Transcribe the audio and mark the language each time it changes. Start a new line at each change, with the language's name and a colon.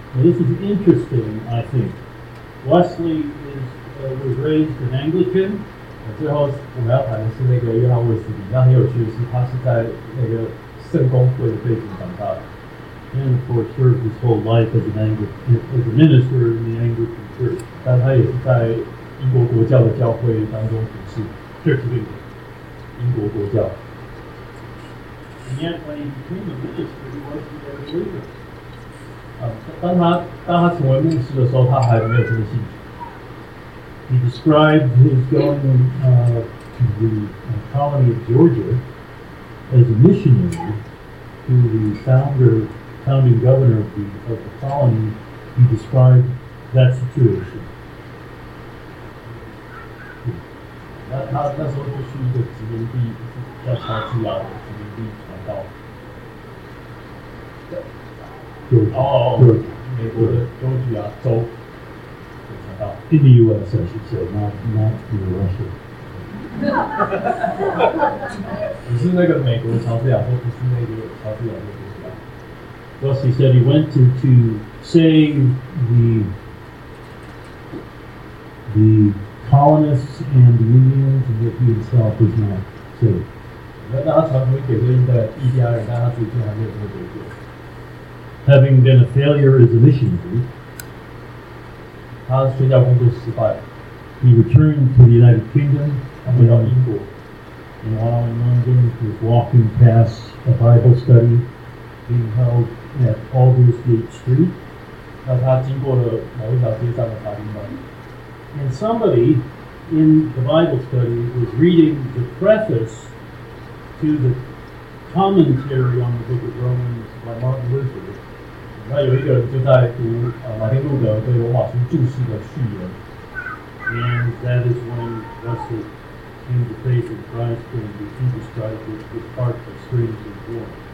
English: Now this is interesting, I think. Wesley was raised an Anglican.
Chinese: 最后我们要谈的是那个约翰威斯理。那很有趣的是，他是在那个圣公会的背景长大的。
English: And of course, served his whole life as a minister in the Anglican Church.
Chinese: 但他也是在英国国教的教会当中服事。
English: Church of England.
Chinese: 英国国教。
English: And yet, when he became a minister, he wasn't a believer.
Chinese: 当他成为牧师的时候，他还没有这个信仰。
English: He described his going to the colony of Georgia as a missionary to the founding governor of the colony. He described that situation.
Chinese: 那时候就去一个殖民地，叫查基亚的殖民地传道。美国的乔治亚州的传道。
English: In the U.S. I should say, not in Russia.
Chinese: 不是那个美国的乔治亚州，不是那个乔治亚州。
English: Thus he said he went to save the colonists and the Indians, and yet he himself was not saved.
Chinese: 那他传福音给这一代印第安人，但他自己还没有得救。
English: Having been a failure as a missionary,
Chinese: 他宣教工作失败了。
English: He returned to the United Kingdom,
Chinese: 回到英国。
English: and while in London was walking past a Bible study being held at Aldersgate Street.
Chinese: 那他经过了某一条街上的法庭吧。
English: And somebody in the Bible study was reading the preface to the commentary on the Book of Romans by Martin Luther.
Chinese: 那有一个人就在读马丁路德对罗马书注释的序言。
English: And that is when Wesley came to faith in Christ and Jesus Christ was part of strange and born.